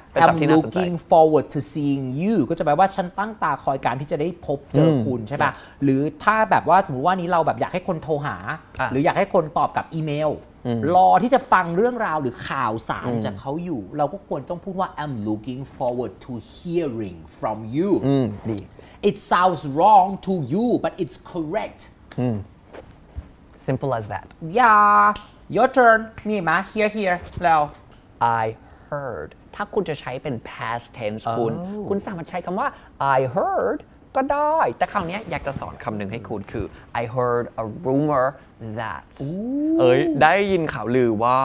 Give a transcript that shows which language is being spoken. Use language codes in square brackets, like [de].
[en] I'm looking forward to seeing you [th] ก็จะแปลว่าฉันตั้งตาคอยการที่จะได้พบเจอคุณใช่ไหมหรือถ้าแบบว่าสมมติว่านี้เราแบบอยากให้คนโทรห า หรืออยากให้คนตอบกับอีเมลรอที่จะฟังเรื่องราวหรือข่าวสารจากเขาอยู่เราก็ควรต้องพูดว่า [en] I'm looking forward to hearing from you [th] ดี [en] It sounds wrong to you but it's correct Simple as that Yeah Your turn [th] มีไหม [en] Here here แล้ว [th] I heard ถ้าคุณจะใช้เป็น past tense คุณสามารถใช้คำว่า I heard ก็ได้แต่คราวนี้อยากจะสอนคำหนึ่งให้คุณคือ [en] I heard a rumor that [th] เอ้ยได้ยินข่าวลือว่า